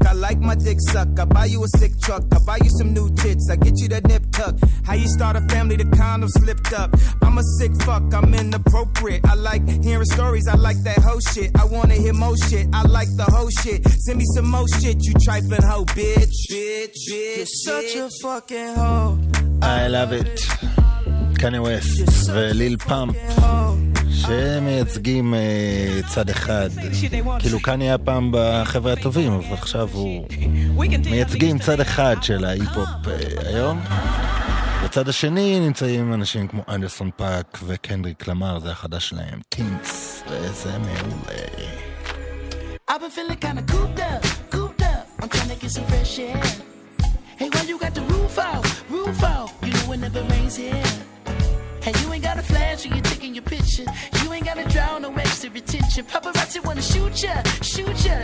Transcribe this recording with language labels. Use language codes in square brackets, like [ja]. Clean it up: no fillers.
[en] I like my dick suck, I buy you a sick truck. I buy you some new tits, I get you that nip tuck. How you start a family, the condom slipped up. I'm a sick fuck, I'm inappropriate. I like hearing stories, I like that whole shit. I wanna hear more shit, I like the whole shit. Send me some more shit, you trifling hoe, bitch. Bitch. You're such a fucking hoe. I love it. [he] קני ווסט וליל פאמפ שמייצגים צד אחד. כאילו קני היה פעם בחברה הטובים, אבל עכשיו הוא מייצגים צד אחד של ההיפ-הופ היום. בצד השני נמצאים אנשים כמו אנדרסון פאק וקנדריק למאר, זה החדש שלהם, טינקס, וזה מעולה. [en] I've been feeling kind of cooped up, cooped up. I'm trying to get some fresh air. Hey, why you got the roof out, roof out? You know it never rains here. Hey, you ain't got a flash when you're taking your picture. You ain't got a drown, no extra retention. Paparazzi wanna shoot ya, shoot ya.